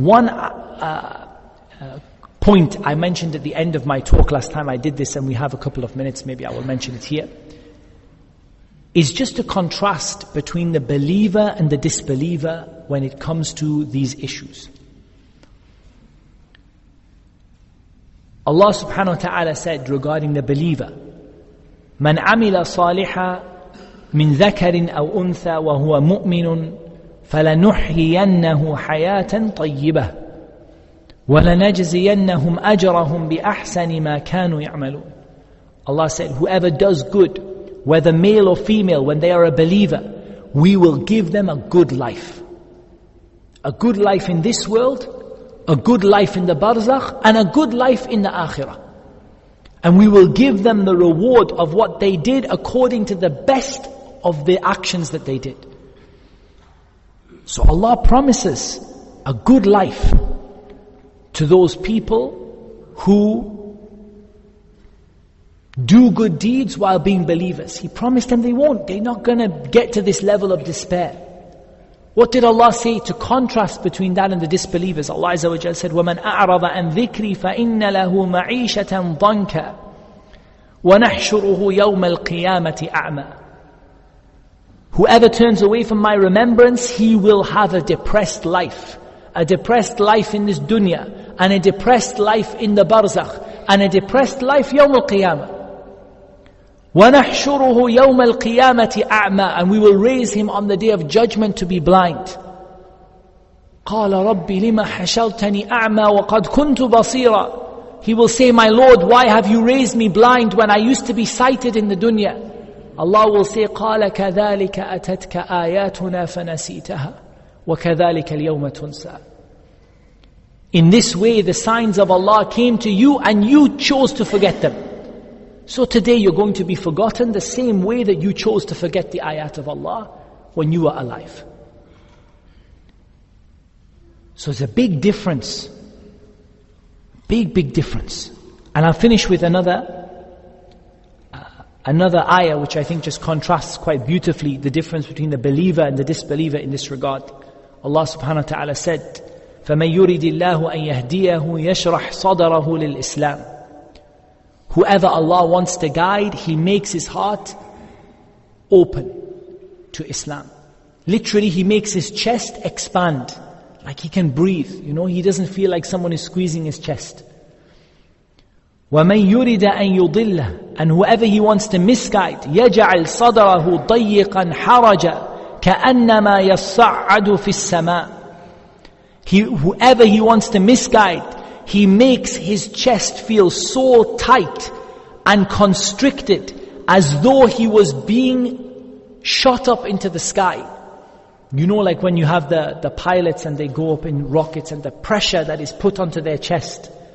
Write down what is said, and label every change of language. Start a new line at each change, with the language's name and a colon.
English: One point I mentioned at the end of my talk last time I did this, and we have a couple of minutes, maybe I will mention it here, is just to contrast between the believer and the disbeliever when it comes to these issues.
Arabic: Allah subhanahu wa ta'ala said regarding the believer, مَنْ عَمِلَ صَالِحًا مِنْ ذَكَرٍ أَوْ أُنْثَى وَهُوَ مُؤْمِنٌ فَلَنُحْيِيَنَّهُ حَيَاةً طَيِّبَةً وَلَنَجْزِيَنَّهُمْ أَجْرَهُمْ بِأَحْسَنِ مَا كَانُوا يَعْمَلُونَ.
English: Allah said, whoever does good, whether male or female, when they are a believer, we will give them a good life. A good life in this world, a good life in the barzakh, and a good life in the akhirah. And we will give them the reward of what they did according to the best of the actions that they did. So Allah promises a good life to those people who do good deeds while being believers. He promised them they won't. They're not going to get to this level of despair. What did Allah say to contrast between that and the disbelievers?
Arabic: Allah Azza wa Jal said, وَمَنْ أَعْرَضَ عَنْ ذِكْرِي فَإِنَّ لَهُ مَعِيشَةً ضَنْكَ وَنَحْشُرُهُ يَوْمَ الْقِيَامَةِ أَعْمَى.
English: Whoever turns away from my remembrance, he will have a depressed life. A depressed life in this dunya, and a depressed life in the barzakh, and a depressed life يَوْمَ الْقِيَامَةِ.
Arabic: وَنَحْشُرُهُ يَوْمَ الْقِيَامَةِ أَعْمَى.
English: And we will raise him on the day of judgment to be blind.
Arabic: قَالَ رَبِّ لِمَ حَشَلْتَنِي أَعْمَى وَقَدْ كُنْتُ بَصِيرًا.
English: He will say, my Lord, why have you raised me blind when I used to be sighted in the dunya? Allah will say,
Arabic: قَالَ كَذَلِكَ أَتَتْكَ آيَاتُنَا فَنَسِيتَهَا وَكَذَلِكَ الْيَوْمَ تُنْسَى.
English: In this way, the signs of Allah came to you and you chose to forget them. So today you're going to be forgotten the same way that you chose to forget the ayat of Allah when you were alive. So it's a big difference. Big, big difference. And I'll finish with another ayah, which I think just contrasts quite beautifully the difference between the believer and the disbeliever in this regard.
Arabic: Allah subhanahu wa ta'ala said, فَمَنْ يُرِدِ اللَّهُ أَنْ يَهْدِيَهُ يَشْرَحْ صَدَرَهُ لِلْإِسْلَامِ.
English: Whoever Allah wants to guide, He makes his heart open to Islam. Literally, He makes his chest expand, like he can breathe. You know, he doesn't feel like someone is squeezing his chest.
Arabic: وَمَنْ يُرِدَ أَنْ يُضِلَّهُ.
English: And whoever He wants to misguide,
Arabic: يَجْعَلْ صَدَرَهُ ضَيِّقًا حَرَجًا كَأَنَّمَا يَصَّعَّدُ فِي السَّمَاءِ.
English: Whoever He wants to misguide, He makes his chest feel so tight and constricted as though he was being shot up into the sky. You know, like when you have the pilots and they go up in rockets and the pressure that is put onto their chest.